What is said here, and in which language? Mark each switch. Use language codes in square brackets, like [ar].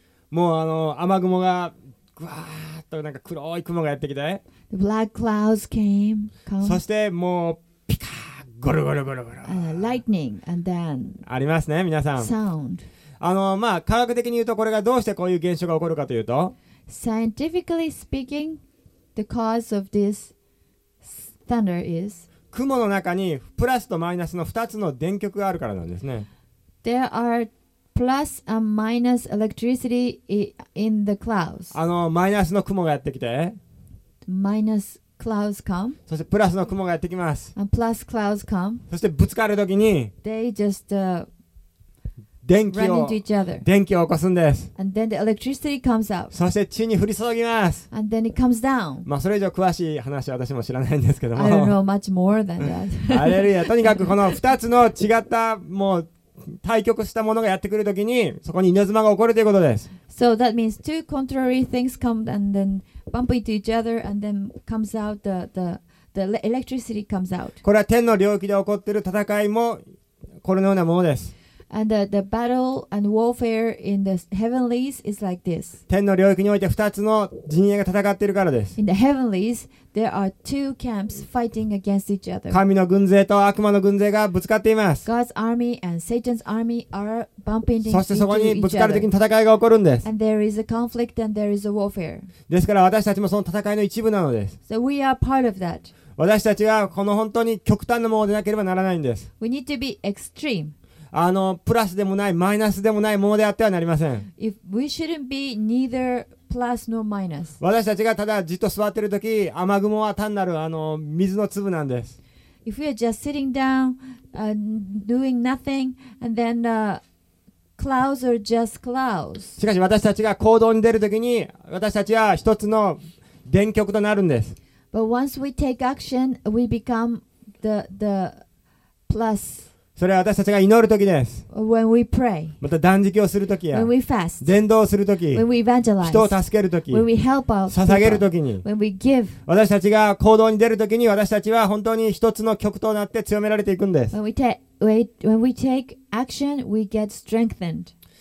[ja] もう雨雲がぐわーっとなんか黒い雲がやってきて、 [en] The black clouds came. [ja] そしてもうピカーゴロゴロゴロゴロ、 [en] lightning and then [ja] ありますね皆さん。 [en] Sound. [ja] 科学的に言うとこれがどうしてこういう現象が起こるかというと、 [en] Scientifically speaking, the cause of this thunder is [ja] 雲の中にプラスとマイナスの2つの電極があるからなんですね。 [en] There are plus and minus electricity in the clouds. [ja] マイナスの雲がやってきて、 [en] minus clouds come. [ja] そしてプラスの雲がやってきます。 [en] And plus clouds come. [ja] そしてぶつかるときに [en] They just, [ja] 電気を起こすんです。 [en] And then the electricity comes out. [ja] そして地に降り注ぎます。 [en] And then it comes down. [ja] それ以上詳しい話は私も知らないんですけども、 [en] I don't know much more than that. [ja] アレルヤ。とにかくこの2つの違ったもう対極したものがやってくるときにそこに稲妻が起こるということです。 [en] So that means two contrary things come and then bump into each other and then comes out the electricity comes out. [ja] これは天の領域で起こっている戦いもこのようなものです。 [en] And the battle and warfare in the heavenlies is like this. [ja] 天の領域において2つの陣営が戦っているからです。 [en] In the heavenlies, there are two camps fighting against each other. [ja] 神の軍勢と悪魔の軍勢がぶつかっています。 [en] God's army and Satan's army are bumping into each other. [ja] そしてそこにぶつかる時に戦いが起こるんです。 [en] And there is a conflict and there is a warfare. [ja] ですから私たちもその戦いの一部なのです。 [en] So we are part of that. [ja] 私たちはこの本当に極端なものでなければならないんです。 [en] We need to be extreme. [ja] プラスでもないマイナスでもないものであってはなりません。 [en] If we shouldn't be neither plus nor minus. [ja] 私たちがただじっと座っているとき、雨雲は単なるあの水の粒なんです。 [en] If we are just sitting down, doing nothing, and then clouds are just clouds. [ja] しかし私たちが行動に出るときに、私たちは一つの電極となるんです。 [en] But once we take action, we become the plus. [ja] それは私たちが祈るときです。 [en] When we pray. [ja] また断食をするときや。 [en] When we fast. [ja] 伝道するとき。 [en] When we evangelize. [ja] 人を助けるとき。 [en] When we help out. [ja] 捧げるときに。 [en] When we give. [ja] 私たちが行動に出るときに、私たちは本当に一つの極となって強められていくんです。 [en] When we take action, we get strengthened.